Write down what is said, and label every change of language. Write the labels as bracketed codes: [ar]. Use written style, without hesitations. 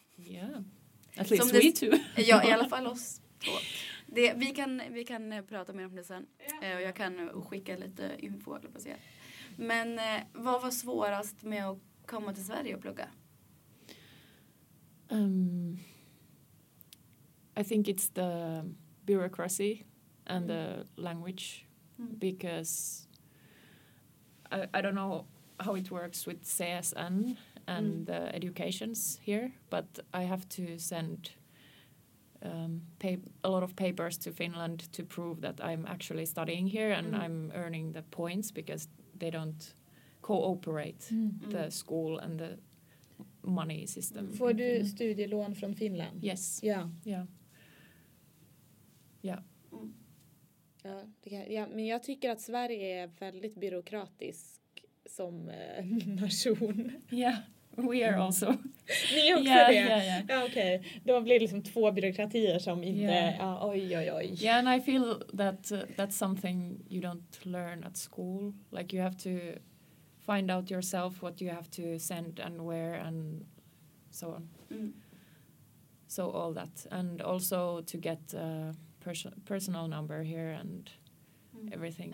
[en] Ja, yeah. At least som we too. [sv] Ja, i alla fall oss två. Det, vi kan prata mer om det sen. Och jag kan skicka lite info, eller på sig. Men vad var svårast med att komma till Sverige och plugga? [en] I think it's the bureaucracy and the language. Because I don't know how it works with CSN and the educations here. But I have to send a lot of papers to Finland to prove that I'm actually studying here and I'm earning the points because... They don't cooperate the school and the money system. [sv] Får du studielån från Finland? [en] Yes. [sv] Ja. Ja, men jag tycker att Sverige är väldigt byråkratisk som nation. [en] Ja, yeah, we are also. [sv] Ni är också det? Ja, okej. Då blir det liksom två byråkratier som inte... Oj. [en] Yeah, and I feel that that's something you don't learn at school. Like, you have to find out yourself what you have to send and where and so on. So all that. And also to get a personal number here and everything.